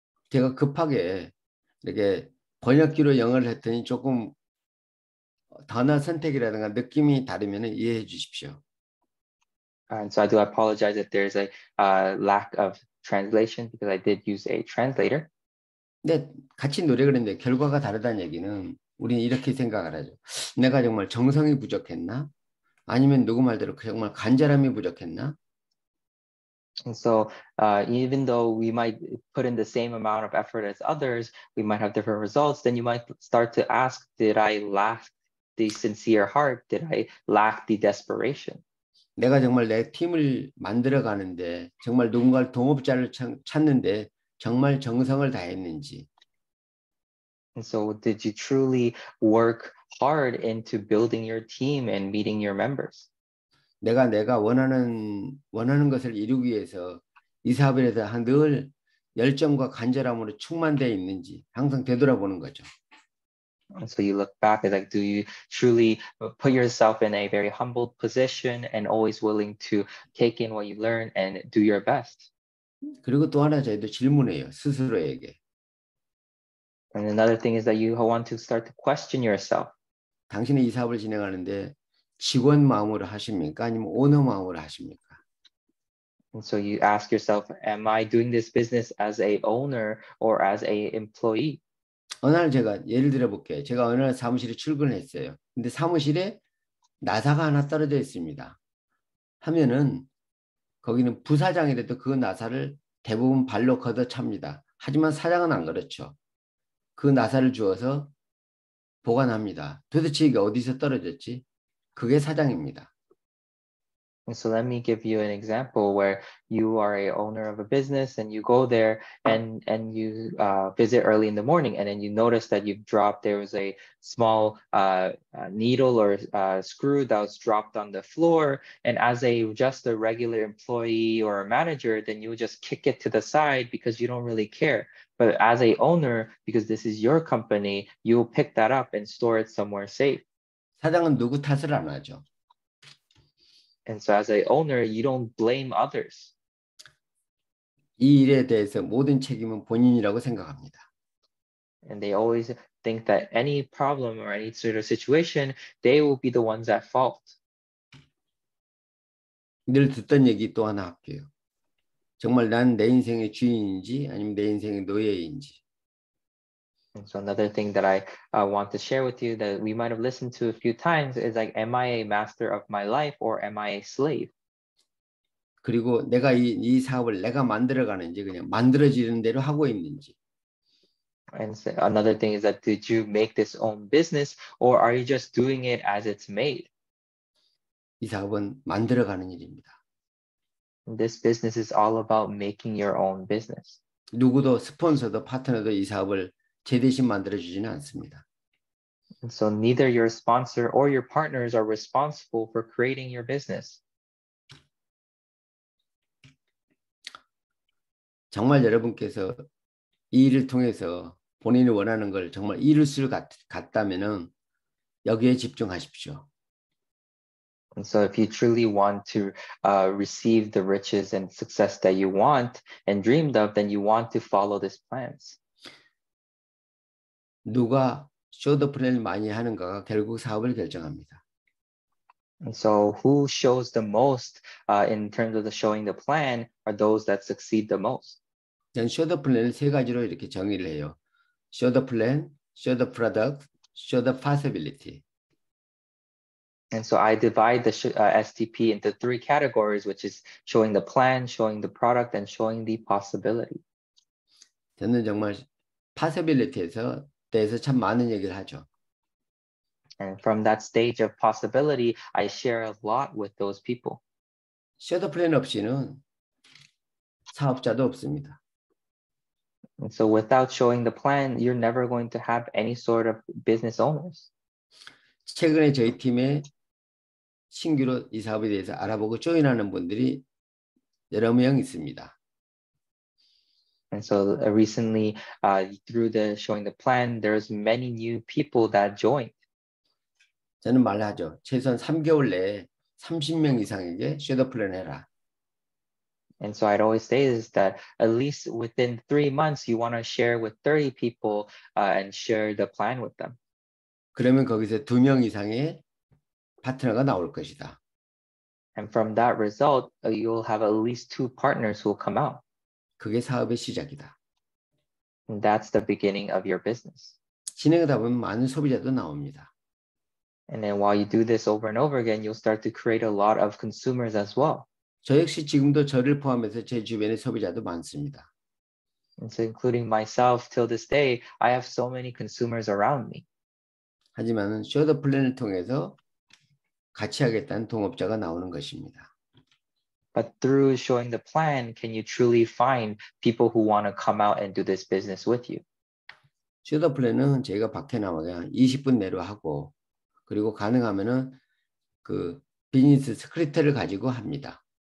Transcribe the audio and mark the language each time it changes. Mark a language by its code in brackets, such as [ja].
[ko] 제가 급하게 이렇게 번역기로 영어를 했더니 조금 단어 선택이라든가 느낌이 다르면은 이해해 주십시오. [en] And so I do apologize if there's a lack of translation because I did use a translator. [ko] 네, 같이 노력을 했는데 결과가 다르다는 얘기는 우리는 이렇게 생각을 하죠. 내가 정말 정성이 부족했나? 아니면 누구 말대로 정말 간절함이 부족했나? [en] And so even though we might put in the same amount of effort as others, we might have different results, then you might start to ask, did I lack the sincere heart? Did I lack the desperation? [ko] 내가 정말 내 팀을 만들어 가는데 정말 누군가를 동업자를 찾는데 정말 정성을 다했는지. [en] And so did you truly work hard into building your team and meeting your members? [ko] 내가 원하는 것을 이루기 위해서 이 사업에 대해서 늘 열정과 간절함으로 충만되어 있는지 항상 되돌아보는 거죠. [en] And so you look back and like, do you truly put yourself in a very humbled position and always willing to take in what you learn and do your best? [ko] 그리고 또 하나 저희도 질문해요, 스스로에게. [en] And another thing is that you want to start to question yourself. [ko] 당신이 이 사업을 진행하는데 직원 마음으로 하십니까? 아니면 오너 마음으로 하십니까? [en] And so you ask yourself, am I doing this business as a owner or as a employee? [ko] 어느 날 제가 예를 들어볼게요. 제가 어느 날 사무실에 출근했어요. 근데 사무실에 나사가 하나 떨어져 있습니다. 하면은 거기는 부사장이라도 그 나사를 대부분 발로 걷어 찹니다. 하지만 사장은 안 그렇죠. 그 나사를 주워서 보관합니다. 도대체 이게 어디서 떨어졌지? 그게 사장입니다. [en] So let me give you an example where you are a owner of a business and you go there and you visit early in the morning and then you notice that you've dropped, there was a small needle or screw that was dropped on the floor and as a just a regular employee or a manager, then you would just kick it to the side because you don't really care. But as a owner, because this is your company, you will pick that up and store it somewhere safe. [ko] 사장은 누구 탓을 안 하죠. [en] And so as a owner, you don't blame others. [ko] 이 일에 대해서 모든 책임은 본인이라고 생각합니다. [en] And they always think that any problem or any sort of situation, they will be the ones at fault. [ko] 늘 듣던 얘기 또 하나 할게요. 정말 난 내 인생의 주인인지 아니면 내 인생의 노예인지. [en] And so another thing that I want to share with you that we might have listened to a few times is like, am I a master of my life or am I a slave? [ko] 그리고 내가 이 사업을 내가 만들어가는지 그냥 만들어지는 대로 하고 있는지. [en] And so another thing is that did you make this own business or are you just doing it as it's made? [ko] 이 사업은 만들어가는 일입니다. [en] This business is all about making your own business. [ko] 누구도 스폰서도 파트너도 이 사업을 제 대신 만들어주지는 않습니다. [en] And so neither your sponsor or your partners are responsible for creating your business. [ko] 정말 여러분께서 이 일을 통해서 본인이 원하는 걸 정말 이룰 수 같다면은 여기에 집중하십시오. [en] And so if you truly want to receive the riches and success that you want and dreamed of, then you want to follow these plans. [ko] 누가 쇼더프레를 많이 하는가가 결국 사업을 결정합니다. [en] And so who shows the most in terms of the showing the plan are those that succeed the most. [ko] 저는 쇼더프레를 세 가지로 이렇게 정의를 해요. 쇼더플랜, 쇼더프로덕트, 쇼더파서빌리티. [en] And so I divide the STP into three categories, which is showing the plan, showing the product, and showing the possibility. [ko] 저는 정말 possibility에서 대해서 참 많은 얘기를 하죠. [en] And from that stage of possibility, I share a lot with those people. [ko] 셔더 플랜 없이는 사업자도 없습니다. [en] And so without showing the plan, you're never going to have any sort of business owners. [ko] 최근에 저희 팀에 신규로 이 사업에 대해서 알아보고 조인하는 분들이 여러 명 있습니다. [en] And so recently, through the showing the plan, there's many new people that joined. [ko] 저는 말을 하죠. 최소한 3개월 내에 30명 이상에게 셔더 플랜 해라. [en] And so I'd always say is that at least within 3 months, you want to share with 30 people and share the plan with them. [ko] 그러면 거기서 2명 이상의 파트너가 나올 것이다. [en] And from that result, you'll have at least 2 partners who will come out. [ko] 그게 사업의 시작이다. [en] And that's the beginning of your business. [ko] 진행하다 보면 많은 소비자도 나옵니다. [en] And then while you do this over and over again, you'll start to create a lot of consumers as well. [ko] 저 역시 지금도 저를 포함해서 제 주변에 소비자도 많습니다. [en] And so including myself, till this day, I have so many consumers around me. [ko] 하지만 셔더 플랜을 통해서 같이 하겠다는 동업자가 나오는 것입니다. [en] But through showing the plan, can you truly find people who want to come out and do this business with you? [ko] 셔더 플랜은 제가 밖에 나와야 20분 내로 하고 그리고 가능하면은 그 비즈니스 스크립트를 가지고 합니다.